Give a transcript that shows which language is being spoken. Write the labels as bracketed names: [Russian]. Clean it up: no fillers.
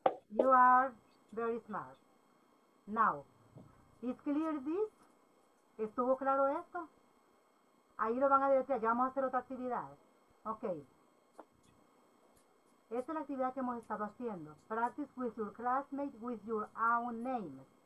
[English] You are very smart. Now, is clear this? [Spanish] ¿Estuvo claro esto? Ahí lo van a decir, ya vamos a hacer otra actividad. Ok. Esta es la actividad que hemos estado haciendo. [English] Practice with your classmate with your own name.